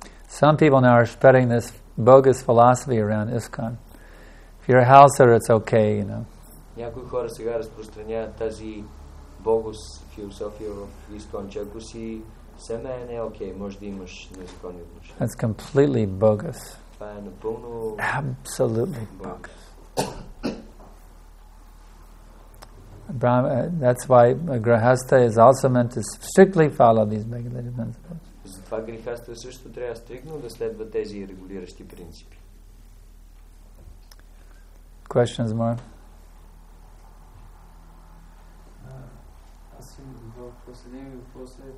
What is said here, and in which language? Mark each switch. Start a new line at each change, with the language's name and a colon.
English: Some people now are spreading this bogus philosophy around ISKCON. If you're a house sitter, it's okay, you know.
Bulgarian: Някои хора сега разпространяват тази богус философия в ISKCON, че ако си семейен, е окей, може да имаш незаконни отношения.
English: That's completely bogus.
Bulgarian: Това е напълно...
English: Absolutely bogus. That's why a grihastha is also meant to strictly follow these regulative principles.
Bulgarian: Затова грихаста също трябва стриктно да следва тези регулиращи принципи.
English: Questions more?
Bulgarian: Аз съм задал последния въпрос.